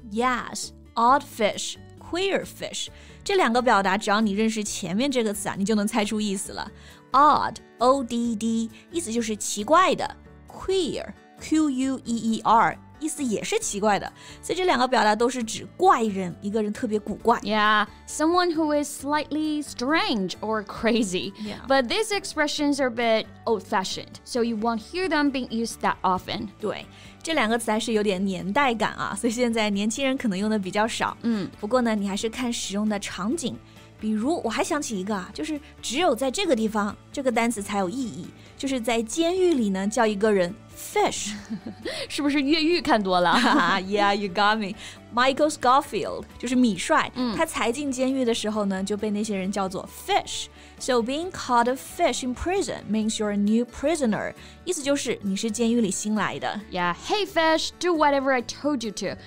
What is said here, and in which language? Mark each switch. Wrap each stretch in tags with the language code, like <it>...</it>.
<en>Yes, odd fish, queer fish</en> <zh>这两个表达只要你认识前面这个词啊你就能猜出意思了 Odd, O-D-D, 意思就是奇怪的 Queer, Q-U-E-E-R意思也是奇怪的，所以这两个表达都是指怪人，一个人特别古怪。</zh> <en>Yeah, someone who is slightly strange or crazy. Yeah. But these expressions are a bit old-fashioned, so you won't hear them being used that often.</en> <zh>对，这两个词还是有点年代感啊，所以现在年轻人可能用的比较少。不过呢，你还是看使用的场景。比如我还想起一个啊，就是只有在这个地方，这个单词才有意义，就是在监狱里呢叫一个人 fish，是不是越狱看多了？</zh> <en>Yeah, you got me.</en> <zh>Michael Scofield 就是米帅，他才进监狱的时候呢，就被那些人叫做 fish。</zh> <en>So being called a fish in prison means you're a new prisoner.</en> <zh>意思就是你是监狱里新来的。</zh> <en>Yeah, hey fish, do whatever I told you to.</en>